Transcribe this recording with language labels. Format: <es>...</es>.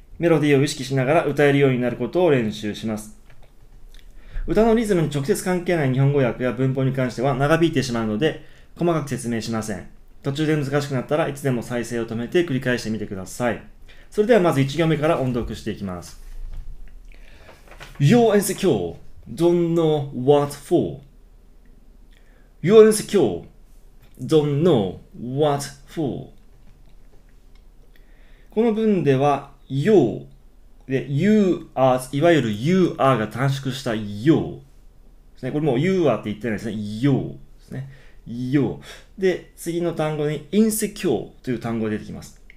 <ja>メロディーを意識しながら歌えるようになることを練習します。歌のリズムに直接関係ない日本語訳や文法に関しては長引いてしまうので細かく説明しません。途中で難しくなったらいつでも再生を止めて繰り返してみてください。それではまず1行目から音読していきます。</ja> <en>You're insecure, don't know what for. You're insecure, don't know what for.</en> <ja>この文では You で You are、 いわゆる You are が短縮した You ですね。これもう You are って言ってないですね。 You ですね。よ。で、次の単語に insecure という単語が出てきます。</ja>